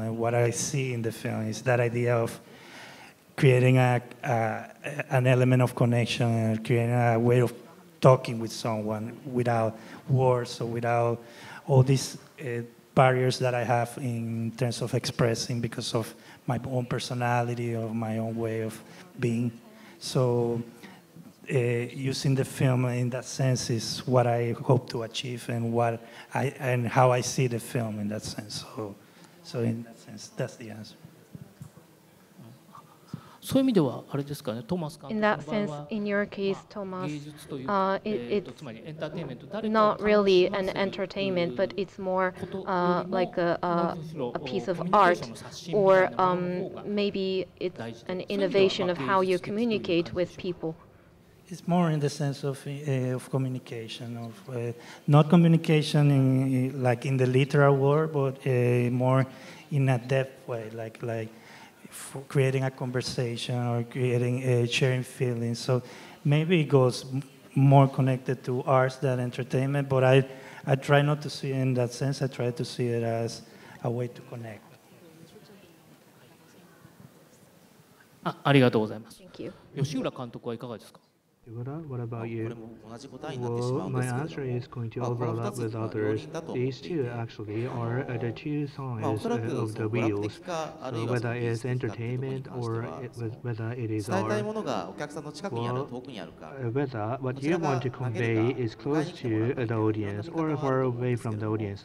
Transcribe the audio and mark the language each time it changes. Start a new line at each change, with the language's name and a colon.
English: And what I see in the film is that idea of creating an element of connection and creating a way of talking with someone without words or without all these barriers that I have in terms of expressing because of my own personality or my own way of being. So using the film in that sense is what I hope to achieve and how I see the film in that sense. So in that sense, that's the answer.
Japanese: そういう意味ではあれですかね、トーマス監督の場合は、
English: in your case, Thomas,
Japanese: 芸術という、つまりエンターテインメント、誰かを楽し
English: ませる、not really an entertainment, but it's more like a piece of art, or maybe it's an innovation of how you communicate with people. It's more in the sense of communication, of not communication in, like in the literal word, but more in a depth way, like. For creating a conversation or creating a sharing feeling. So maybe it goes more connected to arts than entertainment, but I try not to see it in that sense. I try to see it as a way to connect.
Japanese: ありがとうございます。
English: Thank you.
Japanese: 吉浦監督はいかがですか?
English: What about you? Well, my answer is going to overlap with others. These two actually are the two sides of the wheels. So whether it is entertainment or whether it is art, whether what you want to convey is close to the audience or far away from the audience.